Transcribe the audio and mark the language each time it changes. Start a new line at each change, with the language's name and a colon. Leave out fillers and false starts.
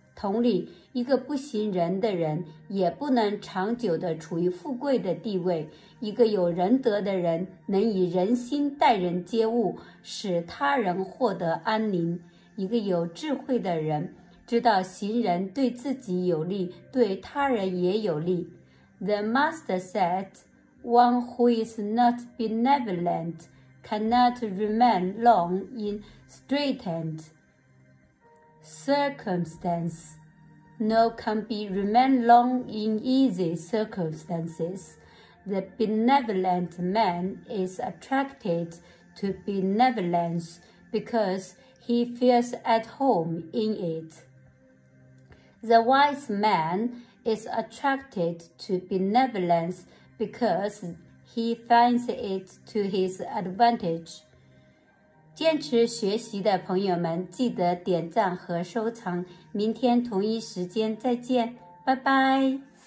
Chinese: 同理，一个不行仁的人也不能长久地处于富贵的地位。一个有仁德的人能以仁心待人接物，使他人获得安宁。一个有智慧的人知道行仁对自己有利，对他人也有利。
English: The master said, one who is not benevolent cannot remain long in straitened circumstances, nor can be remain long in easy circumstances. The benevolent man is attracted to benevolence because he feels at home in it. The wise man is attracted to benevolence because he finds it to his advantage.
Chinese: 坚持学习的朋友们，记得点赞和收藏。明天同一时间再见，拜拜。